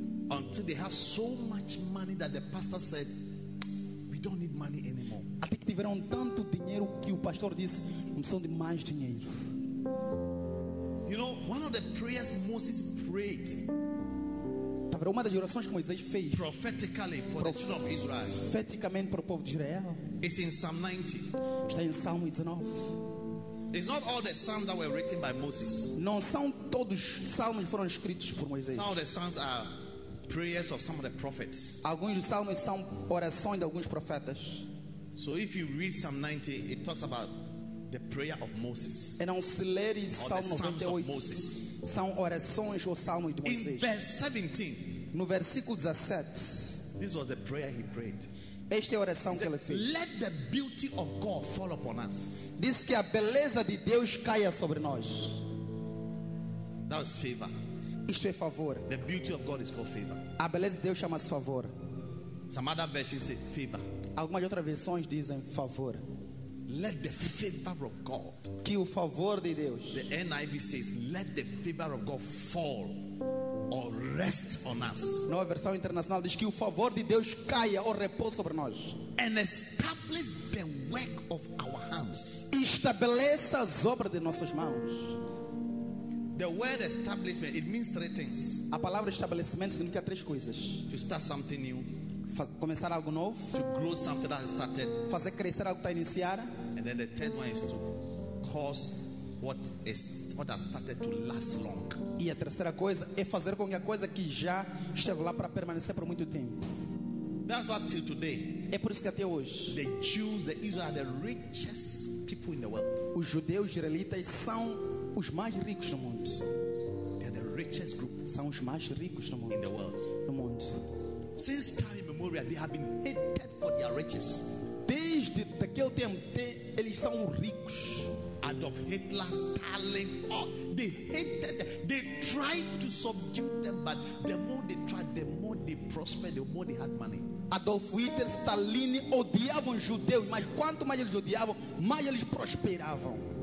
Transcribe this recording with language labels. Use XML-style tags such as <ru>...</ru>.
<en>Until they have so much money that the pastor said, we don't need money anymore.</en> <pt>Até que tiveram tanto dinheiro que o pastor disse, não precisam de mais dinheiro.</pt> <en>You know, one of the prayers Moses prayed.</en> <pt>Tava uma das orações que Moisés fez.</pt> <en>Prophetically for the children of Israel.</en> <pt>Profeticamente para o povo de Israel.</pt> <en>It's in Psalm 90.</en> <pt>Está em Salmo 19.</pt> <en>It's not all the psalms that were written by Moses.</en> <pt>Não são todos os salmos que foram escritos por Moisés.</pt> <en>Some of the psalms are prayers of some of the prophets.</en> <pt>Alguns dos salmos são orações de alguns profetas.</pt> <en>So if you read Psalm 90, it talks about the prayer of Moses. And on Sileri, Psalm 98, Moses.</en> <pt>São orações ou salmos de Moisés.</pt> <en>In verse 17,</en> <pt>no versículo 17,</pt> <en>this was the prayer he prayed.</en> <pt>Esta é a oração que ele fez.</pt> <en>Let the beauty of God fall upon us.</en> <pt>Diz que a beleza de Deus caia sobre nós.</pt> <en>That was favor.</en> <pt>Isto é favor.</pt> <en>The beauty of God is called favor.</en> <pt>A beleza de Deus chama-se favor.</pt> <en>Some other verses say favor.</en> <pt>Algumas outras versões dizem favor.</pt> <en>Let the favor of God.</en> <pt>Que o favor de Deus.</pt> <en>The NIV says, let the favor of God fall or rest on us.</en> <pt>Nova versão internacional diz que o favor de Deus caia ou repouse sobre nós.</pt> <en>And establish the work of our hands.</en> <pt>Estabeleça as obras de nossas mãos.</pt> <en>The word establishment, it means three things.</en> <pt>A palavra estabelecimento significa três coisas.</pt> <en>To start something new.</en> <pt>Começar algo novo.</pt> <en>To grow something that has started.</en> <pt>Fazer crescer algo que está iniciado.</pt> <en>And then the third one is to cause what has started to last long.</en> <pt>E a terceira coisa é fazer com que a coisa que já esteve lá para permanecer por muito tempo.</pt> <en>That's what till today.</en> <pt>É por isso que até hoje.</pt> <en>The Jews, the Israel, the richest people in the world.</en> <pt>Os judeus israelitas são os mais ricos no mundo.</pt> <en>They are the richest group.</en> <pt>São os mais ricos no mundo.</pt> <en>In the world.</en> <pt>No mundo.</pt> <en>Since time immemorial, they have been hated for their riches.</en> <pt>Desde aquele tempo, eles são ricos.</pt> <en>Adolf Hitler, Stalin, oh, they hated them. They tried to subdue them, but the more they tried, the more they prospered, the more they had money.</en> <pt>Adolf Hitler, Stalin odiavam judeus, mas quanto mais eles odiavam, mais eles prosperavam.</pt>